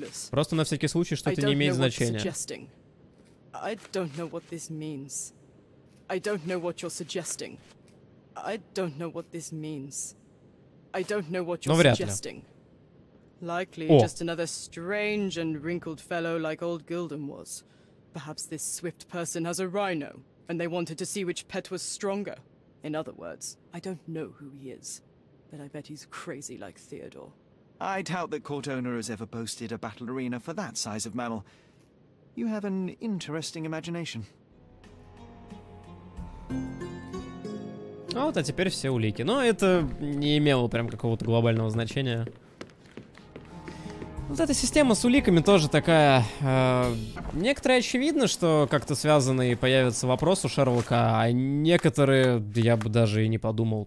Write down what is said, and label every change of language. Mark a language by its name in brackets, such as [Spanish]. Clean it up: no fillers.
[Russian] Просто на всякий случай, что это не имеет значения. [English] I don't know what this means. I don't know what you're suggesting. I don't know what this means. I don't know what you're suggesting. Likely just another strange and wrinkled fellow like old Gilden was. Perhaps this swift person has a rhino, and they wanted to see which pet was stronger. In other words, I don't know who he is, but I bet he's crazy like Theodore. I doubt that court owner has ever boasted a battle arena for that size of mammal. You have an interesting imagination. [Russian] А вот, а теперь все улики. Но это не имело прям какого-то глобального значения. Вот эта система с уликами тоже такая. Некоторые очевидно, что как-то связаны и появится вопрос у Шерлока, а некоторые я бы даже и не подумал.